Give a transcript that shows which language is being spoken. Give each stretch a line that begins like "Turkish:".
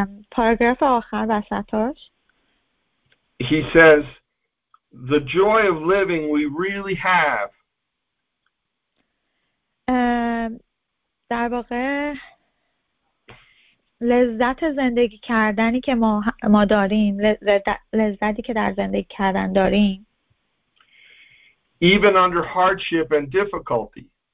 Persian: Paragraph آخر وسطش.
English: He says, "The joy of living we really have."
Persian: در واقع لذت زندگی کردنی که ما داریم، لذتی که در زندگی کردن داریم.
English: Even under hardship and difficulty.